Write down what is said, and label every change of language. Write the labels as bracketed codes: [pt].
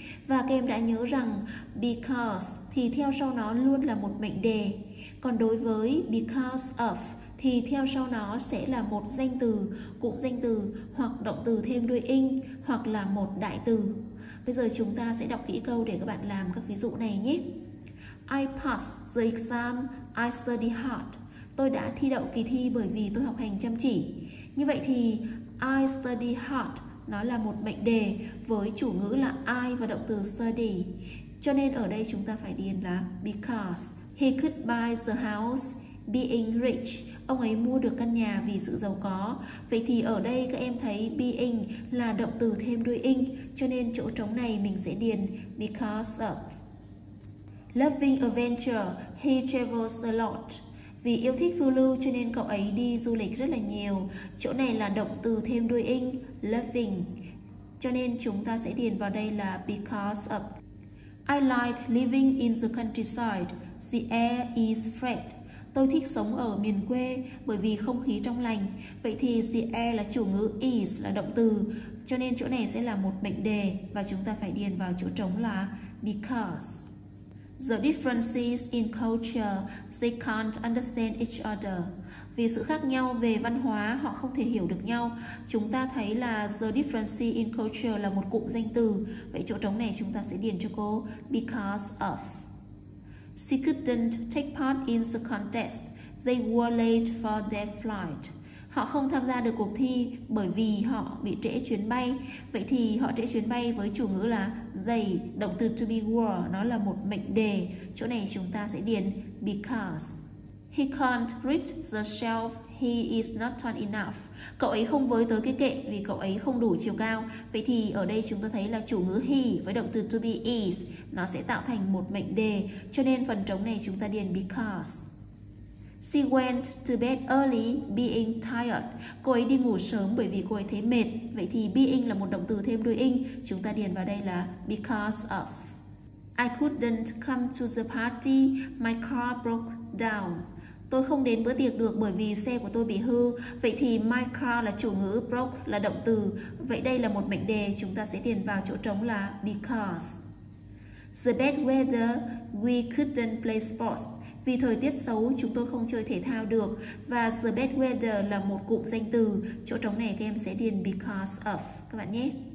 [vi] Và các em đã nhớ rằng because thì theo sau nó luôn là một mệnh đề. Còn đối với because of thì theo sau nó sẽ là một danh từ, cụm danh từ hoặc động từ thêm đuôi ing hoặc là một đại từ. Bây giờ chúng ta sẽ đọc kỹ câu để các bạn làm các ví dụ này nhé. [en] I passed the exam, I study hard. [vi] Tôi đã thi đậu kỳ thi bởi vì tôi học hành chăm chỉ. Như vậy thì [en] I study hard [vi] nó là một mệnh đề với chủ ngữ là I và động từ study. Cho nên ở đây chúng ta phải điền là [en] because he could buy the house being rich. [vi] Ông ấy mua được căn nhà vì sự giàu có. Vậy thì ở đây các em thấy being là động từ thêm đuôi ing, cho nên chỗ trống này mình sẽ điền because of. [en] Loving adventure, he travels a lot. [vi] Vì yêu thích phiêu lưu cho nên cậu ấy đi du lịch rất là nhiều. Chỗ này là động từ thêm đuôi ing, loving. Cho nên chúng ta sẽ điền vào đây là because of. [en] I like living in the countryside. The air is fresh. [vi] Tôi thích sống ở miền quê bởi vì không khí trong lành. Vậy thì the air là chủ ngữ, is là động từ. Cho nên chỗ này sẽ là một mệnh đề và chúng ta phải điền vào chỗ trống là because. [en] The differences in culture, they can't understand each other. [vi] Vì sự khác nhau về văn hóa, họ không thể hiểu được nhau. Chúng ta thấy là [en] the differences in culture [vi] là một cụm danh từ. Vậy chỗ trống này chúng ta sẽ điền cho cô because of. [en] She couldn't take part in the contest. They were late for their flight. [vi] Họ không tham gia được cuộc thi bởi vì họ bị trễ chuyến bay. Vậy thì họ trễ chuyến bay với chủ ngữ là they, động từ to be were, nó là một mệnh đề. Chỗ này chúng ta sẽ điền because. [en] He can't reach the shelf. He is not tall enough. [vi] Cậu ấy không với tới cái kệ vì cậu ấy không đủ chiều cao. Vậy thì ở đây chúng ta thấy là chủ ngữ he với động từ to be is nó sẽ tạo thành một mệnh đề. Cho nên phần trống này chúng ta điền because. [en] She went to bed early being tired. [vi] Cô ấy đi ngủ sớm bởi vì cô ấy thấy mệt. Vậy thì being là một động từ thêm đuôi ing. Chúng ta điền vào đây là because of. [en] I couldn't come to the party. My car broke down. [vi] Tôi không đến bữa tiệc được bởi vì xe của tôi bị hư. Vậy thì my car là chủ ngữ, broke là động từ. Vậy đây là một mệnh đề, chúng ta sẽ điền vào chỗ trống là because. [en] The bad weather, we couldn't play sports. [vi] Vì thời tiết xấu, chúng tôi không chơi thể thao được. Và [en] the bad weather [vi] là một cụm danh từ. Chỗ trống này các em sẽ điền because of các bạn nhé.